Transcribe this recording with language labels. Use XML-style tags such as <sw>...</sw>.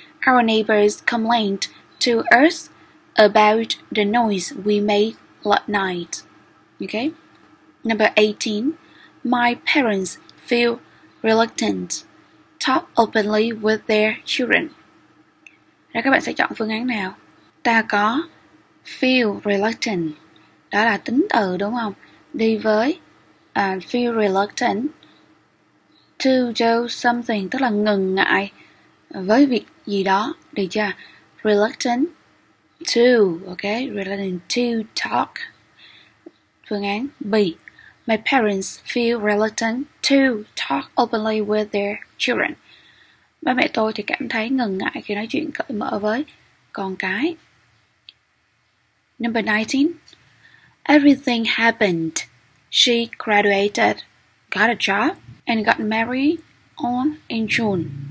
<en>Our neighbors complained to us about the noise we made last night. Okay. Number 18. My parents feel reluctant talk openly with their children.</en> <vi>Rồi các bạn sẽ chọn phương án nào? Ta có feel reluctant. Đó là tính từ đúng không? Đi với feel reluctant to do something, tức là ngần ngại với việc gì đó, được chưa?</vi> <en>Reluctant to, okay? Reluctant to talk.</en> <vi>Phương án B.</vi> <en>My parents feel reluctant to talk openly with their children.</en> <vi>Ba mẹ tôi thì cảm thấy ngần ngại khi nói chuyện cởi mở với con cái.</vi> <en>Number 19. Everything happened. She graduated, got a job, and got married on in June.</en>